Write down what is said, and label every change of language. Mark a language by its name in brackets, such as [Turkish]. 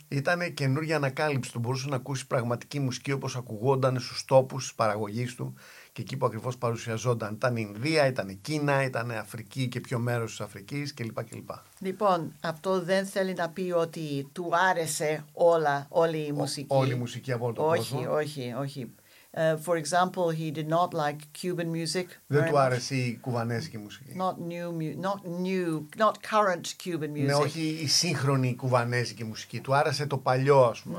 [Greek] Ήταν καινούργια ανακάλυψη, το μπορούσε να ακούσει πραγματική μουσική όπως ακουγόταν στους τόπους της παραγωγής του. Και εκεί που ακριβώς παρουσιαζόταν, ήταν η Ινδία, ήταν η Κίνα, ήταν η Αφρική και πιο μέρος της Αφρικής κλπ. Λοιπόν, αυτό δεν θέλει να πει ότι του άρεσε όλη η μουσική. Όλη η μουσική από τον κόσμο. Όχι, όχι. [English] For example, he did not like Cuban music. [Greek] Δεν του άρεσε η κουβανέζικη μουσική. [English] Not current Cuban music. [Greek] Ναι, όχι η σύγχρονη κουβανέζικη μουσική. Του άρεσε το παλιό, ας πούμε.